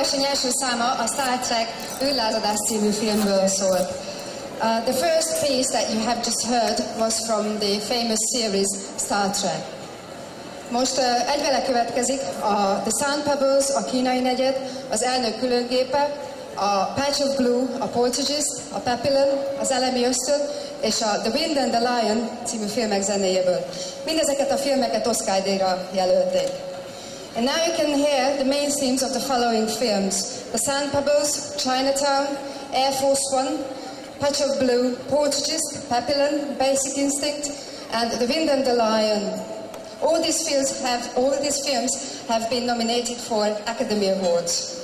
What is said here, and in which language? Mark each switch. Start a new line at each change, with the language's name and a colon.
Hungarian: első száma a Star Trek űrlázadás című filmből szól.
English: The first piece that you have just heard was from the famous series Star Trek.
Hungarian: Most egyvele következik a The Sand Pebbles, a kínai negyed, az elnök különgépe, a Patch of Blue, a Portages, a Papillon, az elemi ösztön és a The Wind and the Lion című filmek zenéjéből. Mindezeket a filmeket Oscar-díjra jelölték.
English: And now you can hear the main themes of the following films: The Sand Pebbles, Chinatown, Air Force One, Patch of Blue, Portages, Papillon, Basic Instinct, and The Wind and the Lion. All these films have been nominated for Academy Awards.